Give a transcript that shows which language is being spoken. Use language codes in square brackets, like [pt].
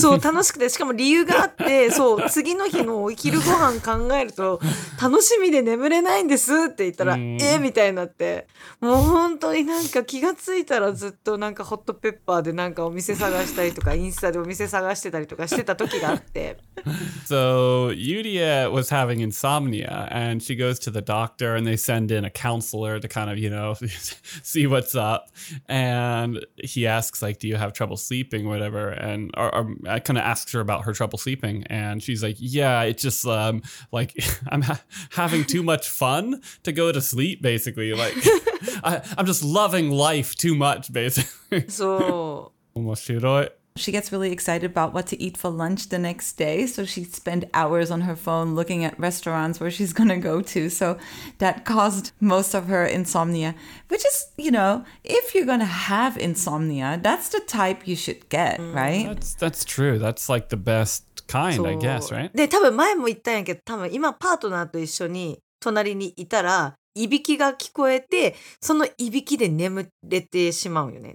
[ja] そう、楽しくて、しかも理由があって、そう、次の日のお昼ご飯考えると、楽しみで眠れないんですって言ったら、みたいになって、もう本当になんか気がついたらずっとなんかホットペッパーでなんかお店探したりとか、インスタでお店探してたりとかしてた時があって。 [en] So, Yuria was having insomnia, and she goes to the doctor. And they send in a counselor to kind of, you know, see what's up. And he asks, like, do you have trouble sleeping or whatever? And I kind of asks her about her trouble sleeping. And she's like, yeah, it's just like I'm having too much fun to go to sleep, basically. Like, I'm just loving life too much, basically. So, [ja] 面白い。 [en] She gets really excited about what to eat for lunch the next day. So she spent hours on her phone looking at restaurants where she's going to go to. So that caused most of her insomnia, which is, you know, if you're going to have insomnia, that's the type you should get, right? That's true. That's like the best kind, I guess, right? [ja] で、多分前も言ったんやけど、多分今パートナーと一緒に隣にいたら、いびきが聞こえて、そのいびきで眠れてしまうよね。